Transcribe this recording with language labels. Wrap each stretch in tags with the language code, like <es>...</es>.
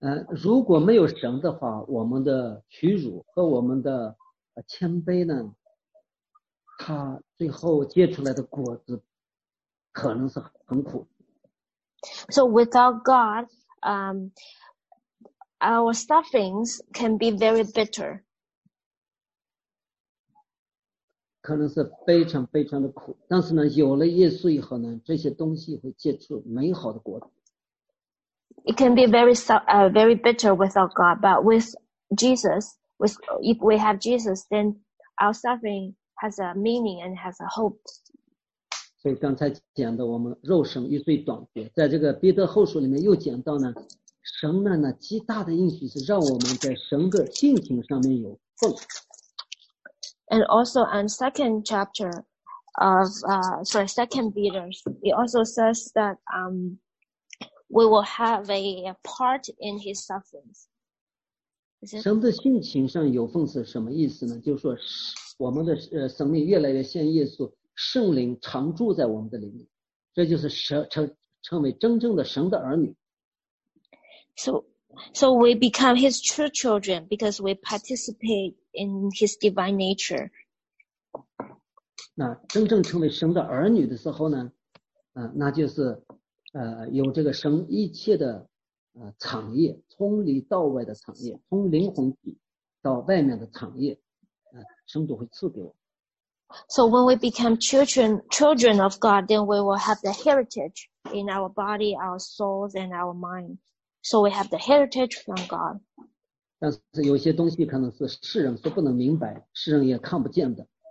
<zh>如果没有神的话，我们的屈辱和我们的谦卑呢，它最后结出来的果子可能是很苦。</zh> <en>So without God, our sufferings can be very bitter.</en> <zh>可能是非常非常的苦，但是呢，有了耶稣以后呢，这些东西会结出美好的果子。</zh> <en>It can be very, very bitter without God, but with Jesus, if we have Jesus, then our suffering has a meaning and has a hope.</en> <zh>所以刚才讲的，我们肉身与罪断绝，在这个彼得后书里面又讲到呢，神呢那极大的应许是让我们在神的性情上面有份。</zh> <en>And also, in second chapter of, second Peter, it also says that, we will have a part in his sufferings.</en> <zh>神的性情上有份是什么意思呢？就是说，我们的生命越来越像耶稣，圣灵常住在我们的里面，这就是成为真正的神的儿女。</zh> <en>So we become his true children because we participate in his divine nature.</en> <zh>那真正成为神的儿女的时候呢？那就是。有这个神一切的产业，从里到外的产业，从灵魂底到外面的产业，神都会赐给我。</zh> <en>So when we become children of God, then we will have the heritage in our body, our souls, and our mind. So we have the heritage from God.</en> <zh>但是有些东西可能是世人所不能明白，世人也看不见的。</zh>